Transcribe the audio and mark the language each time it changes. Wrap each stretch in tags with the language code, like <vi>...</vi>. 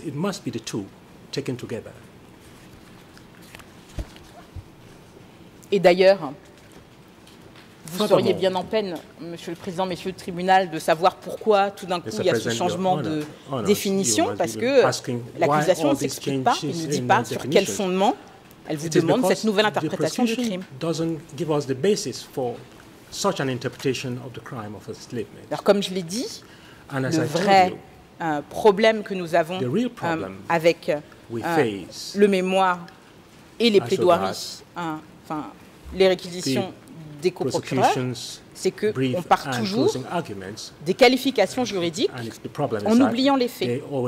<en>It must be the two taken together.</en> <fr>Et d'ailleurs, vous seriez bien en peine, Monsieur le Président, Messieurs le Tribunal, de savoir pourquoi tout d'un coup il y a ce changement de définition, parce que l'accusation ne s'explique pas, il ne dit pas sur quel fondement elle vous demande cette nouvelle interprétation du crime.</fr> <en>Doesn't give us the basis for such an interpretation of the crime of enslavement.</en> <fr>Alors, comme je l'ai dit, le vrai problème que nous avons avec le mémoire et les plaidoiries, les réquisitions des coprocureurs, c'est qu'on part toujours des qualifications juridiques en oubliant les faits.</fr>